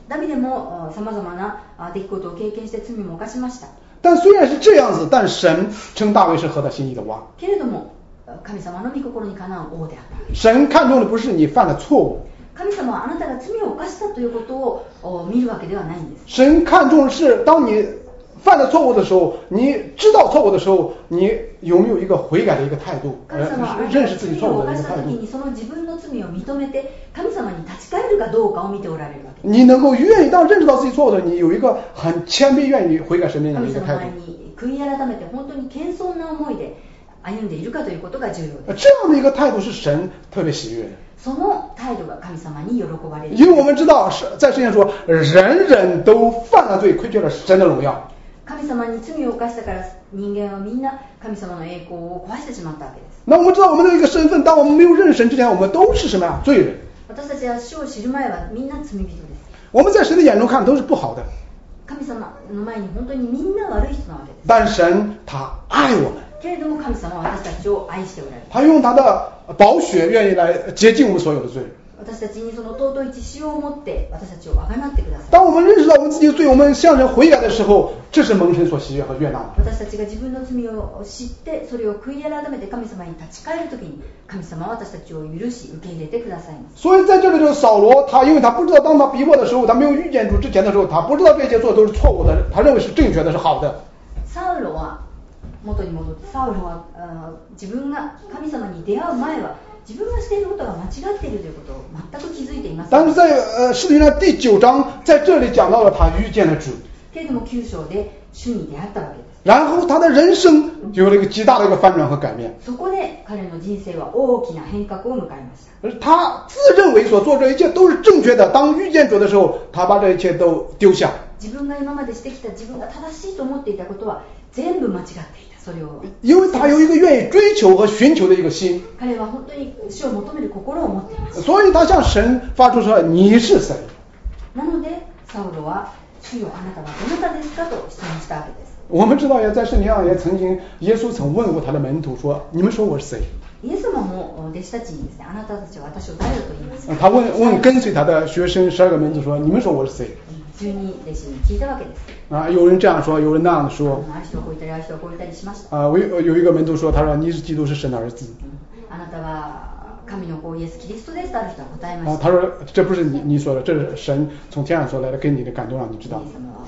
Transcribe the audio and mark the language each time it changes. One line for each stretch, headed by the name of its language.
Japanese: ダビデも様々な出来事を経験して罪も犯しました。
Chinese: 但虽然是这样子，但神称大卫是合他心意的王。
Japanese: けれども、神様の御心にかなう王であった。
Chinese: 神看重的不是你犯了错误。
Japanese: 神様はあなたが罪を犯したということを見るわけではないんです。
Chinese: 神看重的是当你犯了错误的时候，你知道错误的时候，你有没有一个悔改的一个态度，认识自己错误的一个态度。
Japanese: 神様は罪を犯した時にその自分の罪を認めて神様に立ち返るかどうかを見ておられるわけ。
Chinese: 你能够愿意当认识到自己错误的，你有一个很谦卑愿意悔改神面前的一个态度。
Japanese: 神様前に悔い改めて本当に謙遜な思いで歩んでいるかということが重要です。
Chinese: 这样的一个态度是神特别喜悦的。
Japanese: その態度が神様に喜ばれる。
Chinese: 因为我们知道在圣经说，人人都犯了罪，亏缺了神的荣耀。
Japanese: 神様に罪を犯したから人間はみんな神様の栄光を壊してしまったわけです。
Chinese: 那我们知道我们的一个身份，当我们没有认识神之前，我们都是什么呀？罪人。
Japanese: 私たちは主を知る前はみんな罪人です。
Chinese: 我们在神的眼中看都是不好的。
Japanese: 神様の前に本当にみんな悪い人なわけです。
Chinese: 但神他爱我们。
Japanese: けれども神様は私たちを愛しておられる。
Chinese: 他用他的宝血愿意来洁净我们所有的罪。
Japanese: 私たちにその尊い血潮を持って私たちをあがなってください。
Chinese: 当我们认识到我们自己的罪，我们向神悔改的时候，这是蒙神所喜悦和悦纳的。
Japanese: 私たちが自分の罪を知ってそれを悔い改めて神様に立ち返るときに、神様は私たちを許し受け入れてくださいます
Chinese: 。所以在这里就是扫罗，他因为他不知道当他逼迫的时候，他没有遇见主之前的时候，他不知道这些做的都是错误的，他认为是正确的，是好的。
Japanese: サウロは元に戻って、サウロは自分が神様に出会う前は。自分がしていることが間違っているということを全く気づいていません。
Chinese: 但是在使徒行传第九章在这里讲到了他遇见了主。
Japanese: けれども九章で主に出会ったわけです。
Chinese: 然后他的人生有了一个极大的一个翻转和改变。
Japanese: そこで彼の人生は大きな変革を迎えました。
Chinese: 他自认为所做这一切都是正确的，当遇见主的时候，他把这一切都丢下。
Japanese: 自分が今までしてきた自分が正しいと思っていたことは全部間違っていた。
Chinese: 因为他有一个愿意追求和寻求的一个心，
Japanese: 彼は本当に主を求める心を持っています。
Chinese: 所以他向神发出说：“你是谁？”
Japanese: なのでサウロは主よあなたはどなたですかと質問したわけです。
Chinese: 我们知道也在圣经上也曾经耶稣曾问过他的门徒说：“你们说我是谁？”
Japanese: イエス様も弟子たちにですね、あなたたちは私を誰だと言いますか。
Chinese: 他问跟随他的学生十二个门徒说：“你们说我是谁？”
Japanese: 十二弟子に聞いたわけです。
Chinese: 啊，有人这样说，有人那样说。
Japanese: ある人はこう言ったり、ある人はこう言ったりしました。
Chinese: 啊，有一个门徒说，他说：“你是基督，是神的儿子。”
Japanese: あなたは神の子イエスキリストですとある人は答えました。
Chinese: 啊，他说：“这不是你说的，这是神从天上说来的，跟你的感动让你知道。”